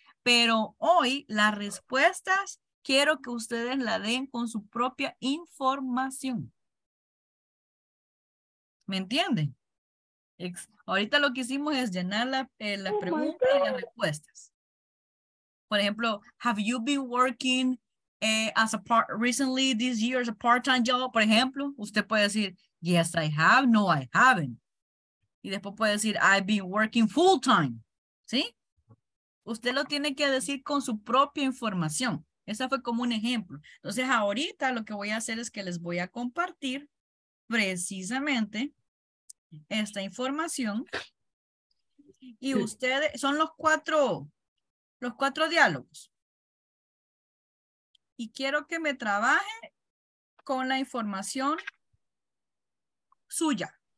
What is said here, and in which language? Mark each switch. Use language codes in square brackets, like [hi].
[es] Pero hoy las respuestas quiero que ustedes la den con su propia información. ¿Me entienden? Ahorita lo que hicimos es llenar las preguntas y las respuestas. Por ejemplo, [en] have you been working recently this year as a part-time job? [es] Por ejemplo, usted puede decir, [en] yes, I have. No, I haven't. [es] Y después puede decir, [en] I've been working full-time. [es] ¿Sí? Usted lo tiene que decir con su propia información. Esa fue como un ejemplo. Entonces, ahorita lo que voy a hacer es que les voy a compartir precisamente esta información y ustedes son los cuatro diálogos y quiero que me trabaje con la información suya.